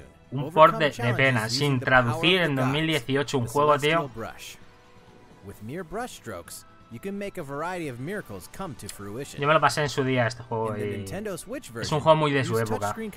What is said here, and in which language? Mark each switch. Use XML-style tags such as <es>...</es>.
<es>Un port de pena, sin traducir en 2018, un juego, tío.</es> <en>With mere brush strokes, you can make a variety of miracles come to fruition.</en> <es>Yo me lo pasé en su día este juego y es un juego muy de su época.</es>